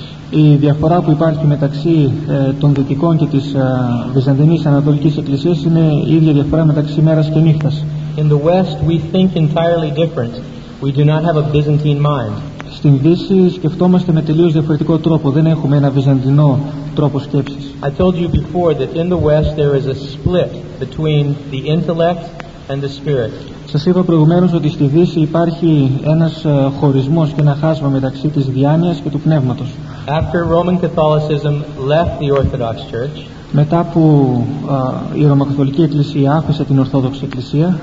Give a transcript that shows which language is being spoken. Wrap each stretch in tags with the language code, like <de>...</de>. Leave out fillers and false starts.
<el>Η διαφορά που υπάρχει μεταξύ των δυτικών και της Βυζαντινής Ανατολικής Εκκλησίας είναι η ίδια διαφορά μεταξύ μέρας και νύχτας.</el> <en>In the West, we think entirely different. We do not have a Byzantine mind.</en> <el>Στην Δύση σκεφτόμαστε με τελείως διαφορετικό τρόπο. Δεν έχουμε ένα βυζαντινό τρόπο σκέψης.</el> <en>I told you before that in the West there is a split between the intellect and the spirit.</en> <el>Σας είπα προηγουμένως ότι στη Δύση υπάρχει ένας χωρισμός και ένα χάσμα μεταξύ της διάνοιας και του πνεύματος.</el> <en>After Roman Catholicism left the Orthodox Church,</en> <el>μετά που η Ρωμαϊκή Εκκλησία άφησε την Ορθόδοξη Εκκλησία,</el>